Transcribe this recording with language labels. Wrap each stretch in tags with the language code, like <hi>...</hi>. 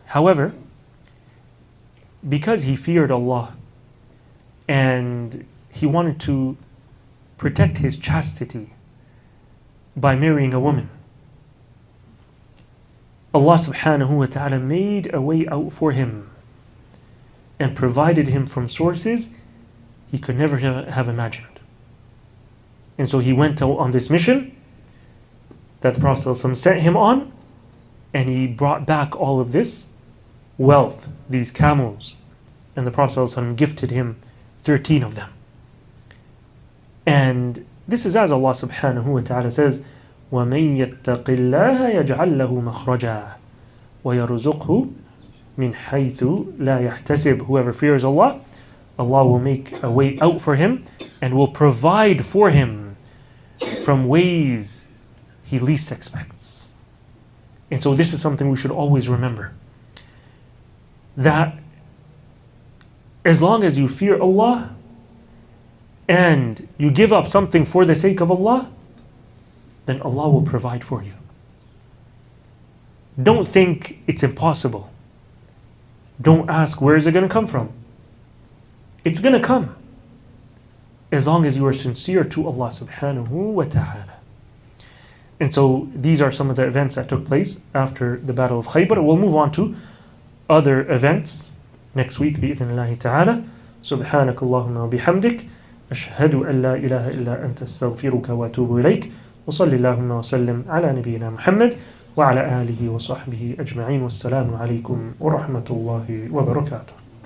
<en>However, because he feared Allah and he wanted to protect his chastity by marrying a woman, Allah subhanahu wa ta'ala made a way out for him and provided him from sources he could never have imagined. And so he went out on this mission that the Prophet sent him on, and he brought back all of this wealth, these camels, and the Prophet gifted him 13 of them. And this is as Allah subhanahu wa ta'ala says,</en> <ar>وَمَنْ يَتَّقِ اللَّهَ يَجْعَلْ لَهُ مَخْرَجًا وَيَرُزُقْهُ مِنْ حَيْثُ لَا يَحْتَسِبُ.</ar> <en>Whoever fears Allah, Allah will make a way out for him and will provide for him from ways he least expects. And so this is something we should always remember, that as long as you fear Allah and you give up something for the sake of Allah, then Allah will provide for you. Don't think it's impossible. Don't ask, where is it going to come from? It's going to come, as long as you are sincere to Allah subhanahu wa ta'ala. And so these are some of the events that took place after the Battle of Khaybar. We'll move on to other events next week, bi-ithnillahi ta'ala. Subhanakallahumma wa bihamdik.</en> <ar>أشهد أن لا إله إلا أنت استغفرك وأتوب إليك وصلي اللهم وسلم على نبينا محمد وعلى آله وصحبه أجمعين. والسلام عليكم ورحمة الله وبركاته.</ar>